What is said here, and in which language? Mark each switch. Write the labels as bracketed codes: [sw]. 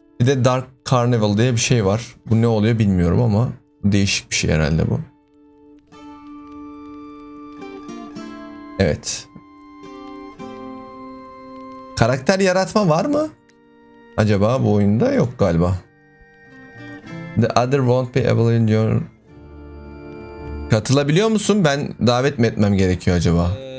[tr] Bir de Dark Carnival diye bir şey var. Bu ne oluyor bilmiyorum ama değişik bir şey herhalde bu. Evet. Karakter yaratma var mı? Acaba bu oyunda yok galiba. [en] The other won't be able to join. [tr] Katılabiliyor musun? Ben davet mi etmem gerekiyor acaba?